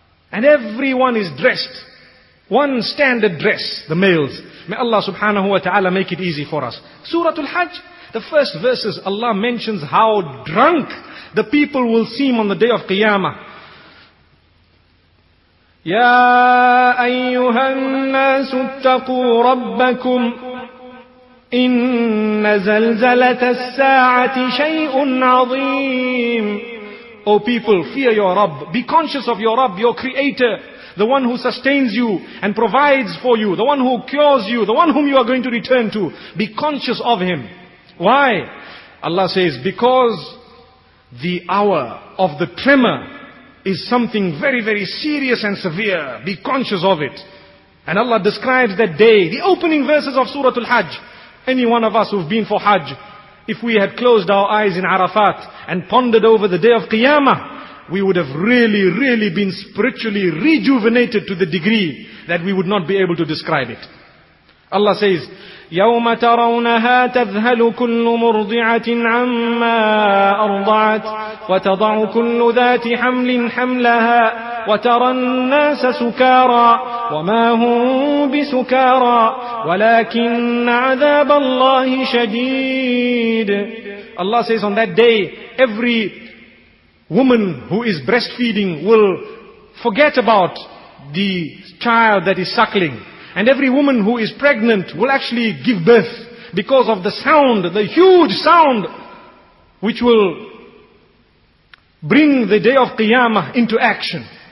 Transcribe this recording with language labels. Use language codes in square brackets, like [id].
[en] And everyone is dressed, one standard dress, the males. May Allah subhanahu wa ta'ala make it easy for us. Suratul Hajj, the first verses, Allah mentions how drunk the people will seem on the day of Qiyamah. [ar] يا أيها الناس اتقوا ربكم إن زلزلة الساعة شيء عظيم. [en] O people, fear your Rabb. Be conscious of your Rabb, your Creator, the one who sustains you and provides for you, the one who cures you, the one whom you are going to return to. Be conscious of Him. Why? Allah says, because the hour of the tremor is something very, very serious and severe. Be conscious of it. And Allah describes that day, the opening verses of Suratul Hajj. Any one of us who've been for Hajj, if we had closed our eyes in Arafat and pondered over the day of Qiyamah, we would have really, really been spiritually rejuvenated to the degree that we would not be able to describe it. Allah says, [ar] يوم ترونها تذهل كل مرضعة عما أرضعت وتضع كل ذات حمل حملها وترى الناس سكارى وما هم بسكارى ولكن عذاب الله شديد. [en] Allah says, on that day, every woman who is breastfeeding will forget about the child that is suckling. And every woman who is pregnant will actually give birth because of the sound, the huge sound, which will bring the day of Qiyamah into action.